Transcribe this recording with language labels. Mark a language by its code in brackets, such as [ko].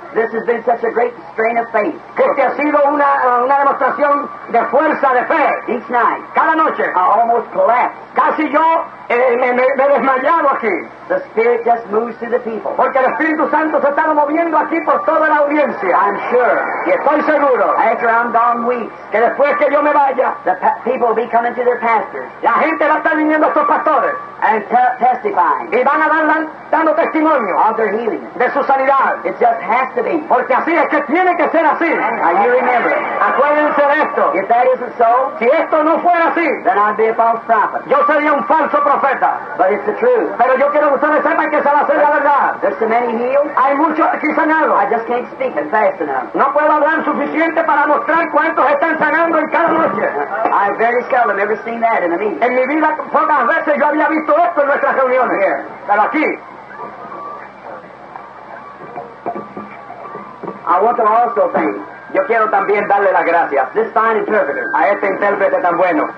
[en] This has been such a great strain of faith. [es] Este ha sido una demostración de fuerza, de fe. [en] Each night. [es] Cada noche. [en] I almost collapsed. [es] Casi yo me desmayado aquí. [en] The Spirit just moves through the people. [es] Porque el Espíritu Santo se estaba moviendo aquí por toda la audiencia. [en] I'm sure. [es] Y estoy seguro. [en] After I'm gone weeks. [es] Que después que yo me vaya. [en] The people will be coming to their pastors. [es] La gente va a estar viniendo a sus pastores. [en] And testifying. [es] Y van a dando testimonio. [en] Of their healing. [es] De su sanidad. [en] It just has to be. [es] Porque así es que tiene que ser así. [en] Now you remember. [es] Acuérdense de esto. [en] If that isn't so. [es] Si esto no fuera así. [en] Then I'd be a false prophet. [es] Yo sería un falso profeta. [en] But it's the truth. [es] Pero yo quiero que ustedes sepan que se va a hacer la verdad. [en] There's so many healed. [es] Hay muchos aquí sanados. [en] I just can't speak and fast enough. [es] No puedo hablar suficiente para mostrar cuántos están sanando en cada noche. [en] I very seldom ever seen that in a meeting. [es] En mi vida pocas veces yo había visto esto en nuestras reuniones. [en] Here. [es] Pero aquí. [en] I want to also thank. [es] Yo quiero también darle las gracias. [en] This fine interpreter. [es] A este intérprete tan bueno.